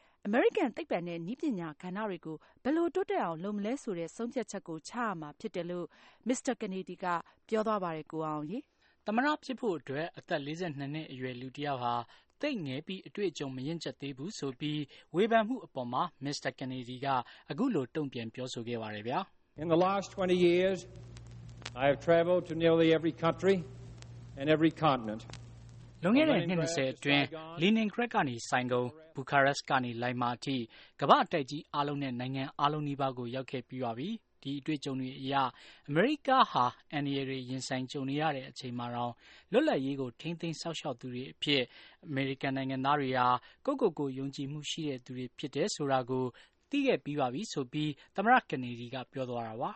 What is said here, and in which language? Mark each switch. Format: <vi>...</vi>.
<my>အမေရိကန်သိပ္ပံနဲ့နည်းပညာကဏ္ဍတွေကိုဘယ်လိုတိုးတက်အောင်လုပ်မလဲဆိုတဲ့ဆုံးဖြတ်ချက်ကိုချရမှာဖြစ်တယ်လို့မစ္စတာကနေဒီကပြောသွားပါတယ်ကိုအောင်ကြီးတမရဖြစ်ဖို့အတွက်အသက်42နှစ်အရွယ်လူတစ်ယောက်ဟာသိပ်ငယ်ပြီးအတွေ့အကြုံမရင်ကျက်သေးဘူးဆိုပြီးဝေဖန်မှုအပေါ်မှာမစ္စတာကနေဒီကအခုလိုတုံ့ပြန်ပြောဆိုခဲ့ပါတယ်ဗျာ</my> <en>In the last 20 years I have traveled to nearly every country and every continent</en> <my>လွန်ခဲ့တဲ့နှစ်20အတွင်းလီနင်ဂရက်ကနေဆိုင်ကုန်ဘူကာရက်ကနေလိုင်မာထိကမ္ဘာတိုက်ကြီးအလုံးနဲ့နိုင်ငံအလုံးနီးပါးကိုရောက်ခဲ့ပြီးပါပြီဒီအတွေ့အကြုံတွေအရအမေရိကဟာအန်ရီတွေရင်ဆိုင်ကြုံနေရတဲ့အချိန်မှာတော့လွတ်လပ်ရေးကိုထိန်းသိမ်းဆောက်ရှောက်သူတွေအဖြစ်အမေရိကန်နိုင်ငံသားတွေဟာကိုယ့်ကိုယ်ကိုယုံကြည်မှုရှိတဲ့သူတွေဖြစ်တယ်ဆိုတာကိုသိခဲ့ပြီးပါပြီဆိုပြီးသမရကနေဒီကပြောသွားတာပ</my>